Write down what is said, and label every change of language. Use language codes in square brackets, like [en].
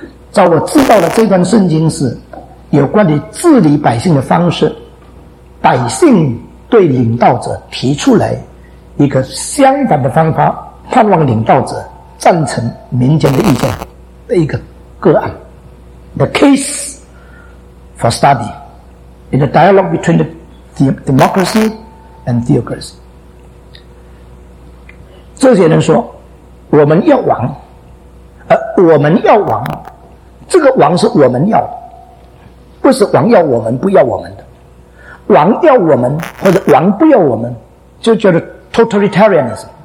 [zh] 照我知道的，这段圣经是有关于治理百姓的方式，百姓对领导者提出来一个相反的方法，盼望领导者赞成民间的意见的一个个案。 [en] The case for study in the dialogue between the democracy and theocracy。 [zh] 这些人说我们要王，我们要王，这个王是我们要的，不是王要我们不要我们的。王要我们或者王不要我们，就叫做 totalitarianism。